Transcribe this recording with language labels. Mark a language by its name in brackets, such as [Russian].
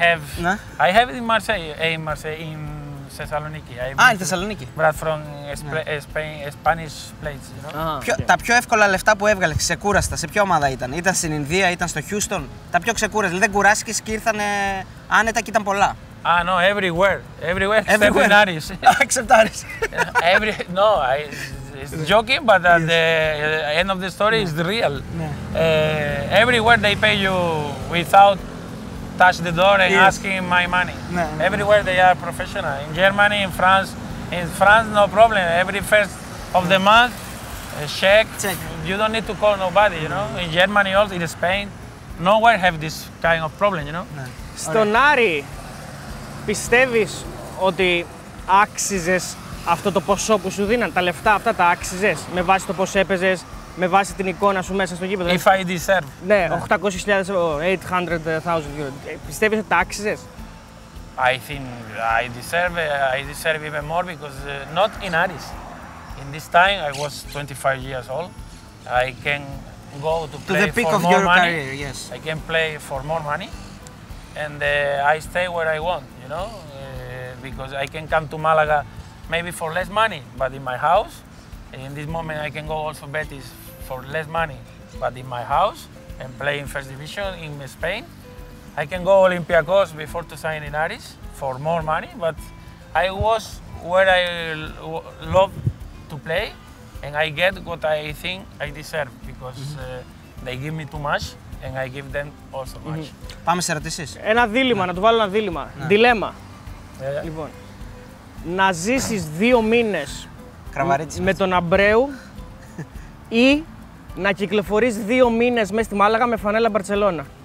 [English] But I have it in Marseille. In Marseille. In Thessaloniki. In Thessaloniki. But from Spain, Spanish plates, you know. [Greek] Τα πιο εύκολα λεφτά που έβγαλε, ξεκούραστα, σε ποια ομάδα ήταν? Ήταν στην Ινδία, ήταν στο Houston. Τα πιο ξεκούραστα. Δεν κουράστηκες και ήρθανε άνετα και ήταν πολλά. [English] No, everywhere. Except Άρης. Except Άρης. No, it's joking, but at the end of the story is real. Everywhere they pay you without touch the door and asking my money. Everywhere they are professional. In Germany, in France. In France, no problem. Every first of the month, check. You don't need to call nobody, you know. In Germany, also in Spain, nowhere have this kind of problem, you know. [Greek] Στον Άρη. Πιστεύεις ότι άξιζες αυτό το ποσό που σου δίναν, τα λεφτά αυτά τα άξιζες με βάση το πώς έπαιζες, με βάση την εικόνα σου μέσα στο γήπεδο? [English] If I deserve. [Greek] Ναι, 800,000 euros. Πιστεύεις ότι τα άξιζες? [English] I think I deserve. I deserve even more because not in Aris. In this time I was 25 years old. I can go to play to the peak for of more your money. Career, yes. I can play for more money. And I stay where I want, you know, because I can come to Malaga maybe for less money, but in my house. In this moment, I can go also Betis for less money, but in my house, and play in first division in Spain. I can go Olympiacos before to sign in Aris for more money, but I was where I love to play, and I get what I think I deserve, because they give me too much. And I give them also much. Mm-hmm. [Greek] Πάμε σε ερωτήσεις. Ένα δίλημα, να του βάλω ένα δίλημα. Δίλεμα. [English] Yeah. [Greek] Λοιπόν, να ζήσεις δύο μήνες με τον Αμπρέου ή να κυκλοφορείς δύο μήνες μέσα στη Μάλαγα με φανέλα Μπαρτσελόνα.